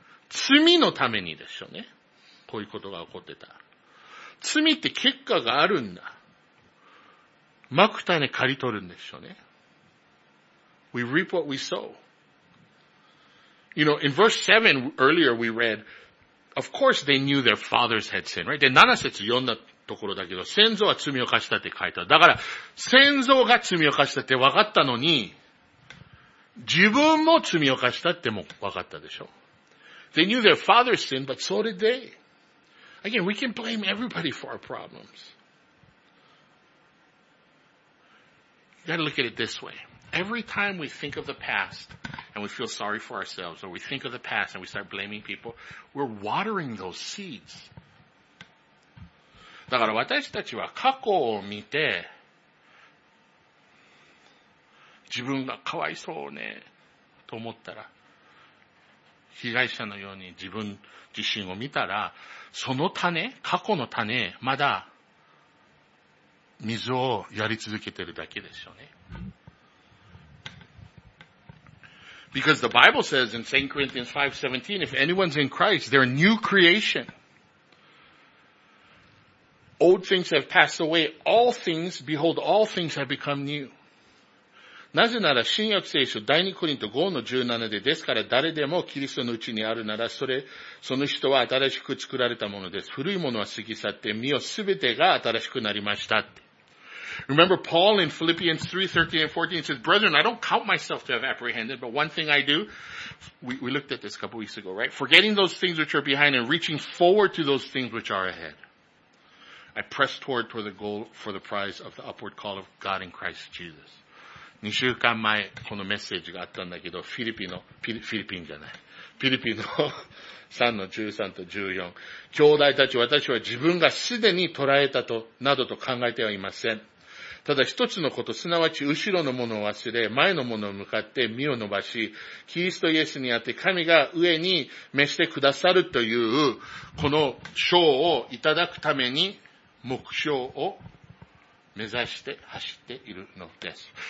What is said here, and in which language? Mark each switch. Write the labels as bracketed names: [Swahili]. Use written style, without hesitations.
[Japanese] 罪のためにでしょうね。こういうことが起こってた。罪って結果があるんだ。まくたね刈り取るんでしょうね。 [English] We reap what we sow. You know, in verse 7, earlier we read, of course they knew their fathers had sinned, right? [Japanese] で、7節読んだところだけど、先祖は罪を犯したって書いてある。だから、先祖が罪を犯したって分かったのに、自分も罪を犯したっても分かったでしょ。 [English] They knew their fathers sinned, but so did they. Again, we can blame everybody for our problems. You gotta look at it this way. Every time we think of the past and we feel sorry for ourselves, or we think of the past and we start blaming people, we're watering those seeds. [Japanese] だから私たちは過去を見て、自分がかわいそうね、と思ったら、被害者のように自分自身を見たら、その種、過去の種、まだ水をやり続けてるだけですよね。 [English] Because the Bible says in 2 Corinthians 5:17, if anyone's in Christ, they're a new creation. Old things have passed away. All things, behold, all things have become new. [Japanese] なぜなら、新約聖書第2コリント 5:17 で、ですから誰でもキリストのうちにあるなら、それ、その人は新しく作られたものです。古いものは過ぎ去って、身をすべてが新しくなりました。 [English] Remember Paul in Philippians 3:13-14 says, Brethren, I don't count myself to have apprehended, but one thing I do, we looked at this a couple weeks ago, right? Forgetting those things which are behind and reaching forward to those things which are ahead. I press toward the goal for the prize of the upward call of God in Christ Jesus. [Japanese] 2週間前このメッセージがあったんだけど、フィリピンじゃない。フィリピンの3:13と14。兄弟たち、私は自分がすでに捉えたと、などと考えてはいません。ただ一つのこと、すなわち後ろのものを忘れ、前のものを向かって身を伸ばし、キリストイエスにあって神が上に召してくださるという、この賞をいただくために目標を目指して走っているのです。